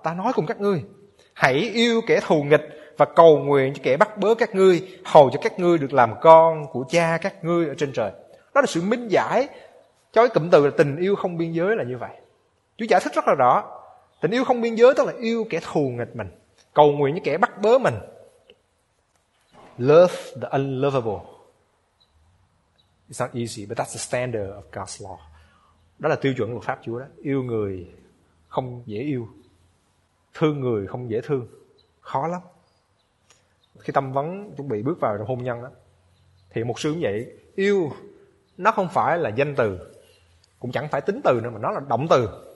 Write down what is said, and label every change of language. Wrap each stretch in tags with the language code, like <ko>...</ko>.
<vi>Ta nói cùng các ngươi, hãy yêu kẻ thù nghịch và cầu nguyện cho kẻ bắt bớ các ngươi, hầu cho các ngươi được làm con của cha các ngươi ở trên trời. Đó là sự minh giải cho cái cụm từ là tình yêu không biên giới là như vậy. Chúa giải thích rất là rõ. Tình yêu không biên giới tức là yêu kẻ thù nghịch mình, cầu nguyện cho kẻ bắt bớ mình.</vi> <en>Love the unlovable. It's not easy, but that's the standard of God's law.</en> <vi>Đó là tiêu chuẩn của pháp Chúa đó. Yêu người không dễ yêu, thương người không dễ thương, khó lắm. Khi tâm vấn chuẩn bị bước vào trong hôn nhân đó, thì một sư cũng vậy. Yêu nó không phải là danh từ, cũng chẳng phải tính từ nữa, mà nó là động từ.</vi>